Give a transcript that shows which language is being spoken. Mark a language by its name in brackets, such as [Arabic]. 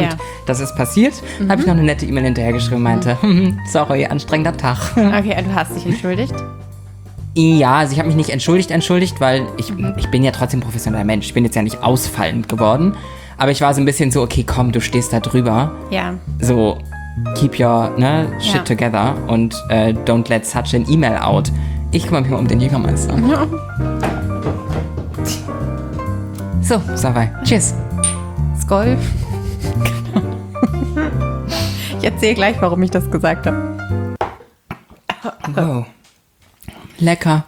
[German] Und das ist passiert. Habe ich noch eine nette E-Mail hinterhergeschrieben und meinte, sorry, anstrengender Tag. Okay, du hast dich entschuldigt. Ja, also ich habe mich nicht entschuldigt, weil ich bin ja trotzdem professioneller Mensch. Ich bin jetzt ja nicht ausfallend geworden. Aber ich war so ein bisschen so, okay, komm, du stehst da drüber. Ja. So, [English] keep your shit together und don't let such an email out. [German] Ich kümmere mich mal um den Jägermeister. Ja. So, Sawai. Tschüss. Skoll. Ich erzähle gleich, warum ich das gesagt habe. Wow. Lecker.